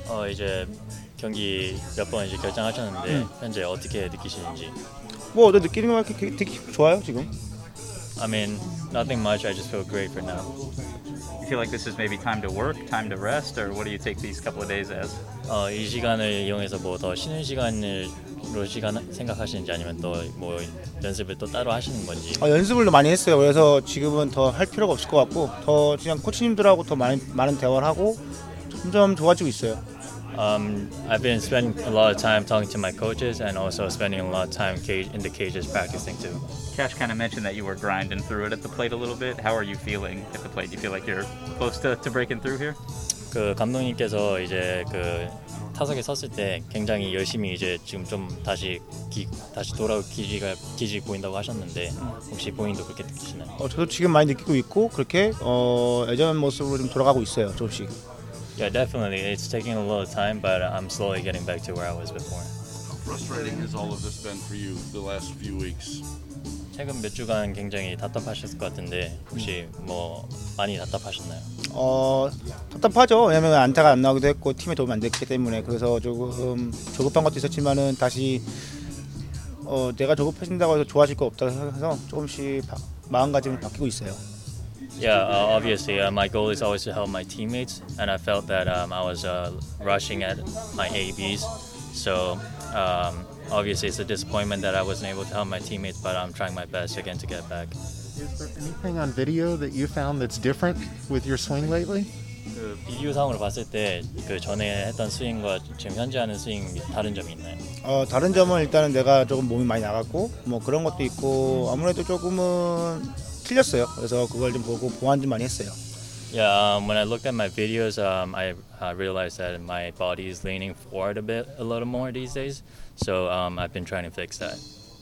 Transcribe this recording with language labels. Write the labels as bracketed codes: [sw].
[ko] 이제 경기 몇 번 이제 결정하셨는데 현재 어떻게 느끼시는지? 뭐 어때 느끼는 거 이렇게 되게 좋아요 지금? [en] I mean, nothing much. I just feel great for now. You feel like this is maybe time to work, time to rest, or what do you take these couple of days as? [ko] 이 시간을 이용해서 뭐 더 쉬는 시간으로 시간 생각하시는지 아니면 또 뭐 연습을 또 따로 하시는 건지? 연습을 많이 했어요. 그래서 지금은 더 할 필요가 없을 것 같고 더 그냥 코치님들하고 더 많은 대화를 하고 점점 좋아지고 있어요. [en] I've been spending a lot of time talking to my coaches and also spending a lot of time in the cages practicing too. Cash kind of mentioned that you were grinding through it at the plate a little bit. How are you feeling at the plate? Do you feel like you're close to breaking through here? [ko] 그 감독님께서 이제 그 타석에 섰을 때 굉장히 열심히 이제 지금 좀 다시 돌아올 기질 보인다고 하셨는데 혹시 본인도 그렇게 느끼시나요? 저도 지금 많이 느끼고 있고 그렇게 예전 모습으로 좀 돌아가고 있어요, 조금씩. [en] Yeah, definitely. It's taking a little time, but I'm slowly getting back to where I was before. How frustrating has all of this been for you the last few weeks? [ko] 최근 몇 주간 굉장히 답답하셨을 것 같은데 혹시 뭐 많이 답답하셨나요? 답답하죠. 왜냐면 안타가 안 나오기도 했고 팀에 도움이 안 됐기 때문에 그래서 조금 조급한 것도 있었지만은 다시 내가 조급해진다고 해서 좋아질 거 없다고 해서 조금씩 마음가짐이 바뀌고 있어요. [en] Yeah, obviously, my goal is always to help my teammates, and I felt that I was rushing at my ABs. So, obviously, it's a disappointment that I wasn't able to help my teammates, but I'm trying my best again to get back. Is there anything on video that you found that's different with your swing lately? [ko] 그 비디오 상황을 봤을 때 그 전에 했던 스윙과 지금 현재 하는 스윙 다른 점이 있나요? 다른 점은 일단은 내가 조금 몸이 많이 나갔고 뭐 그런 것도 있고 아무래도 조금은 틀렸어요. 그래서 그걸 좀 보고 보완 좀 많이 했어요. [en] Yeah, when I looked at my videos, I realized that my body is leaning forward a little more these days. So I've been trying to fix that.